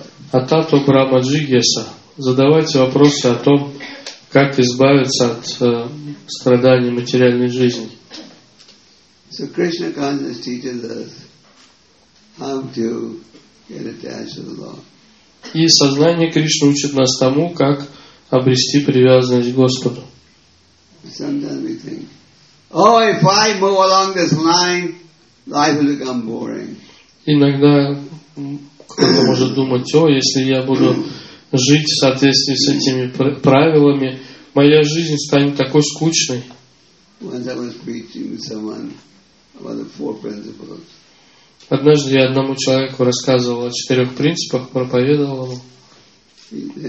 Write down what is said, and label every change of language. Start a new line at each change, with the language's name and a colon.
Sanskrit: Атату Брахма Джигьяса.
Russian: Задавайте вопросы о том, как избавиться от страданий материальной жизни.
English: So Krishna consciousness teaches us how to get attached to the Lord.
Russian: И сознание Кришны учит нас тому, как обрести привязанность к Господу.
English: Sometimes we think, oh, if I move along this line, life will become boring.
Russian: Иногда кто-то может думать, о, если я буду жить в соответствии с этими правилами, моя жизнь станет такой скучной.
English: Once I was preaching with someone about the four principles.
Russian: Однажды я одному человеку рассказывал о четырех принципах, проповедовал ему.